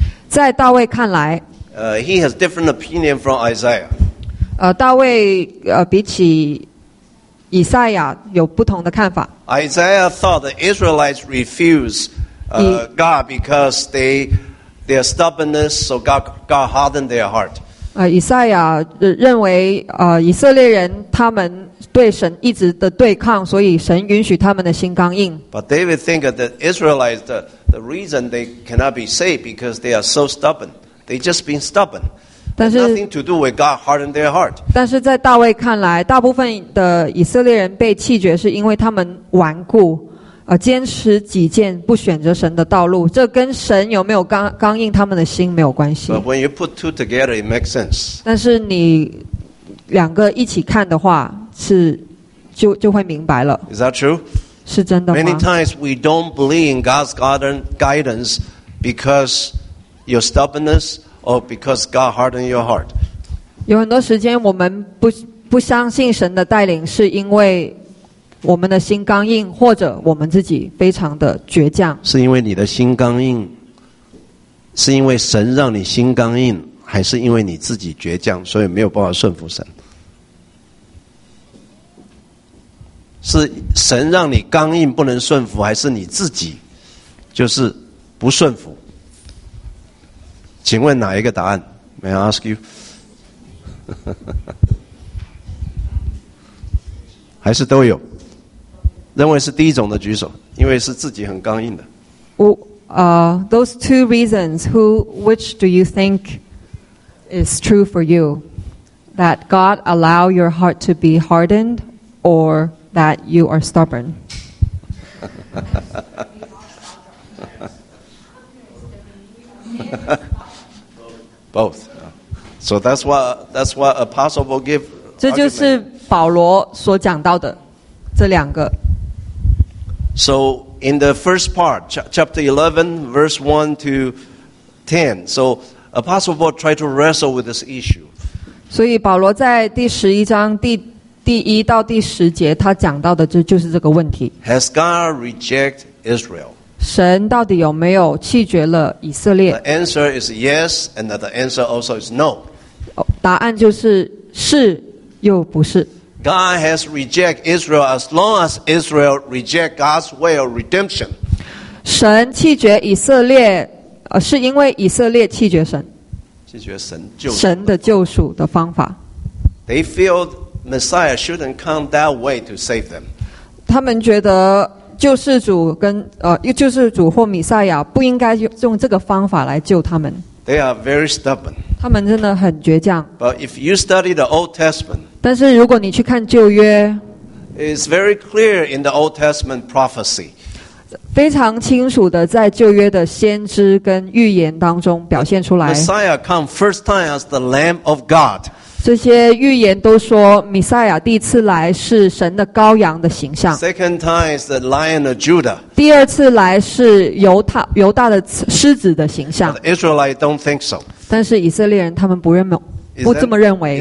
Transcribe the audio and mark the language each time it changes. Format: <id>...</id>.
<zh>在大卫看来</zh> <en>He has different opinion from Isaiah</en> <zh>大卫比起以赛亚有不同的看法</zh> <en>Isaiah thought the Israelites refused God because their stubbornness, so God hardened their heart.</en> <zh>以赛亚认为以色列人他们对神一直的对抗，所以神允许他们的心刚硬。</zh> <en>But David think that the Israelites, the reason they cannot be saved because they are so stubborn. They just been stubborn.</en> <zh>但是</zh> <en>nothing to do with God hardened their heart.</en> <zh>但是在大卫看来，大部分的以色列人被弃绝是因为他们顽固。坚持己见，不选择神的道路，这跟神有没有刚硬他们的心没有关系。</zh> <en>But when you put two together, it makes sense.</en> <zh>但是你两个一起看的话，是就会明白了。</zh> <en>Is that true?</en> <zh>是真的吗</zh> <en>？Many times we don't believe in God's guidance because your stubbornness or because God hardened your heart.</en> <zh>有很多时间我们不相信神的带领，是因为。我们的心刚硬，或者我们自己非常的倔强。是因为你的心刚硬，是因为神让你心刚硬，还是因为你自己倔强，所以没有办法顺服神？是神让你刚硬不能顺服，还是你自己就是不顺服？请问哪一个答案 ？</zh> <en>May I ask you？</en> <zh>还是都有？认为是第一种的举手，因为是自己很刚硬的。</zh> <en>Those two reasons, which do you think is true for you? That God allow your heart to be hardened, or that you are stubborn? 哈哈哈哈哈哈 Both. So that's what a possible give.</en> <zh>这就是保罗所讲到的。这两个。</zh> <en>So in the first part, chapter 11, verse 1 to 10, so Apostle Paul tried to wrestle with this issue.</en> <zh>所以保罗在第十一章第一到第十节，他讲到的就是这个问题。</zh> <en>Has God rejected Israel?</en> <zh>神到底有没有弃绝了以色列</zh> <en>？The answer is yes, and the answer also is no.</en> <zh>答案就是是又不是。</zh> <en>God has rejected Israel as long as Israel rejects God's way of redemption.</en> <zh>神弃绝以色列，是因为以色列弃绝神。拒绝神救赎，神的救赎的方法。</zh> <en>They feel Messiah shouldn't come that way to save them.</en> <zh>他们觉得救世主跟救世主或弥赛亚不应该用这个方法来救他们。</zh> <en>They are very stubborn.</en> <zh>他们真的很倔强。</zh> <en>But if you study the Old Testament,</en> <zh>但是如果你去看旧约</zh> <en>，it's very clear in the Old Testament prophecy.</en> <zh>非常清楚的在旧约的先知跟预言当中表现出来。</zh> <en>Messiah come first time as the Lamb of God.</en> <zh>这些预言都说弥赛亚第一次来是神的羔羊的形象。</zh> <en>Second time is the Lion of Judah.</en> <zh>第二次来是犹大的狮子的形象。</zh> <en>But Israelite don't think so.</en> <zh>但是以色列人他们不这么认为。</zh>